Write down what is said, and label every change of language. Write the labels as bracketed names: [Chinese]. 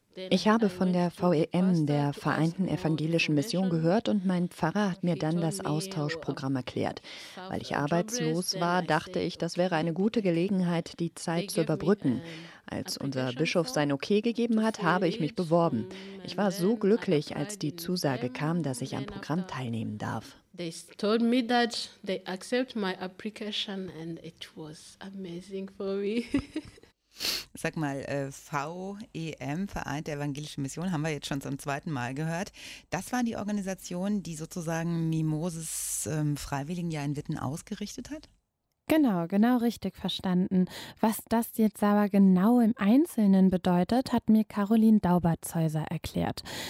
[German] Ich habe von der VEM, der Vereinten Evangelischen Mission, gehört und mein Pfarrer hat mir dann das Austauschprogramm erklärt. Weil ich arbeitslos war, dachte ich, das wäre eine gute Gelegenheit, die Zeit zu überbrücken. Als unser Bischof sein Okay gegeben hat, habe ich mich beworben. Ich war so glücklich, als die Zusage kam, dass ich am Programm teilnehmen darf. [English] They told me that they accept my application and it was amazing for me. [German] Sag mal, VEM, Vereinte Evangelische Mission, haben wir jetzt schon zum zweiten Mal gehört. Das waren die Organisationen, die sozusagen Mimoses Freiwilligenjahr in Witten ausgerichtet hat? Genau, genau richtig verstanden. Was das jetzt aber genau im Einzelnen bedeutet, hat mir Caroline Daubert-Zeuser erklärt.